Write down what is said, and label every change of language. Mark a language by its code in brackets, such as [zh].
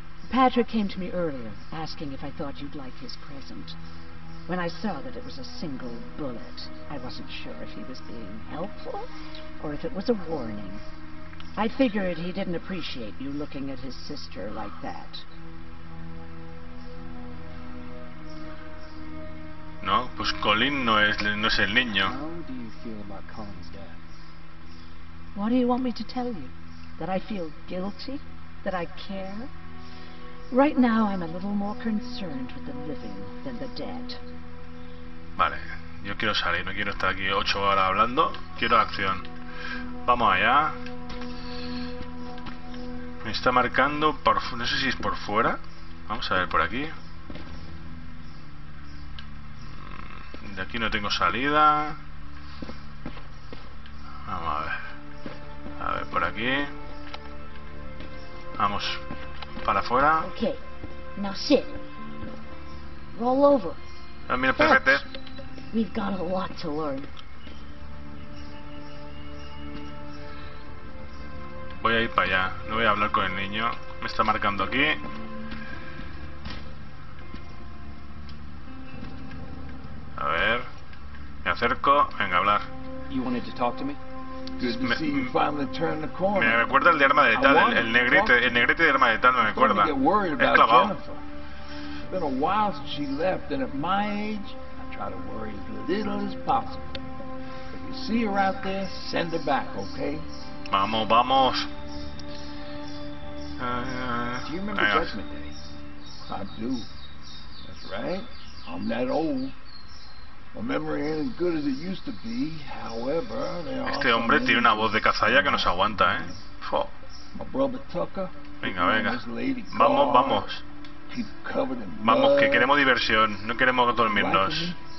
[en] Patrick came to me earlier, asking if I thought you'd like his present. When I saw that it was a single bullet, I wasn't sure if he was being helpful or if it was a warning. I figured he didn't appreciate you looking at his sister like that. [es] No, pues Colin no es el niño. [en] How do you feel about Colin's death? What do you want me to tell you? That I feel guilty? That I care? Right now I'm a little more concerned with the living than the dead. [es] Vale, yo quiero salir, no quiero estar aquí 8 horas hablando. Quiero acción. Vamos allá. Me está marcando por... no sé si es por fuera. Vamos a ver por aquí. De aquí no tengo salida. Vamos a ver. A ver por aquí. Vamos para afuera. [en] Okay. Now sit. Roll over. [es] Mira, espérate. [en] We've got a lot to learn. [es] Voy a ir para allá. No voy a hablar con el niño. Me está marcando aquí. A ver. Me acerco. Venga, hablar. [en] You wanted to talk to me? [es] Me recuerda el de Arma de Tal, el negrete de Arma de Tal, no me acuerda. Es clavado. [en] Been a while since she left, and at my age, I try to worry as little as possible. If you see her out there, send her back, okay? [es] Vamos, vamos. [en] Do you remember Judgment Day? I do. That's right. I'm that old. My memory ain't as good as it used to be. However, [es] este hombre tiene una voz de cazalla que no se aguanta, ¿eh? [en] My brother Tucker. [es] Venga, venga. Vamos, vamos. Vamos, que queremos diversión, no queremos dormirnos.